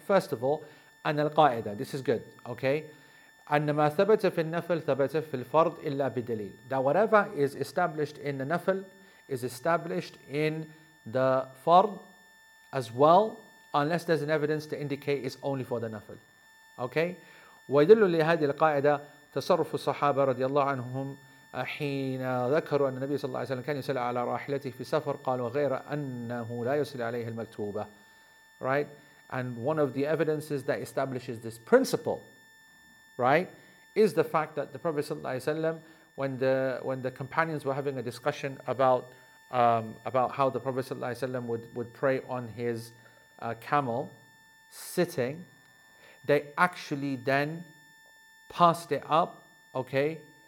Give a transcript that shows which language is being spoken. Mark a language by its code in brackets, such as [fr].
[en] First of all, [ar] أَنَّ الْقَائِدَ, [en] this is good, okay? [ar] أَنَّ مَا ثَبَتَ فِي النَّفْلِ ثَبَتَ فِي الْفَرْضِ إِلَّا بِدَلِيلٍ. [en] That whatever is established in the nafil is established in the fard as well, unless there's an evidence to indicate it's only for the nafil. Okay? [ar] وَيَدُلُّ لِهَذِي الْقَائِدَ تَصَرُّفُ الصَّحَابَ رَضِيَ اللَّهُ عَنْهُمْ حين ذكروا أن النبي صلى الله عليه وسلم كان يسلى على راحلته في سفر قالوا غير أنه لا يسلى عليه المكتوبة. [en] Right? And one of the evidences that establishes this principle, right, is the fact that the Prophet صلى الله عليه وسلم, when the companions were having a discussion about how the Prophet صلى الله عليه وسلم would pray on his camel sitting, they actually then passed it up, okay?